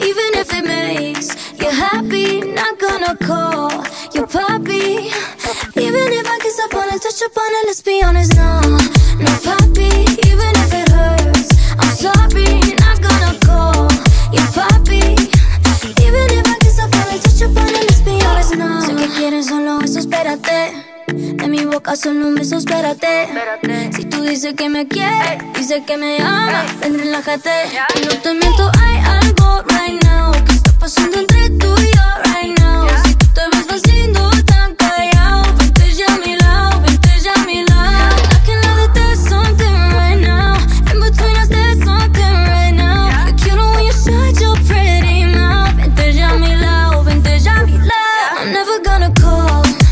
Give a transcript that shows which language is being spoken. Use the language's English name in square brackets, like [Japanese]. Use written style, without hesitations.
[English] Even if it makes you happy, not gonna call you poppy. Even if I kiss up on it, touch up on it, let's be honest, no, no poppy. Even if it hurts, I'm sorry, not gonna call you poppy. Even if I kiss up on it, touch up on it, let's be honest, no. [Spanish] Sé que quieres solo eso, espérate. De mi boca solo un beso, espérate. Si tú dices que me quieres, dices que me ama, ven, relájate. Y no te miento, hay algo [English] right now [Spanish] que está pasando entre tú y yo [English] right now. [Spanish] Si tú te ves haciendo tan callado, vente ya a mi lado, vente ya a mi lado. [English] I can love that there's something right now. In between us there's something right now. You're cute when you shut your pretty mouth. [Spanish] Vente ya a mi lado, vente ya a mi lado. [English] I'm never gonna call.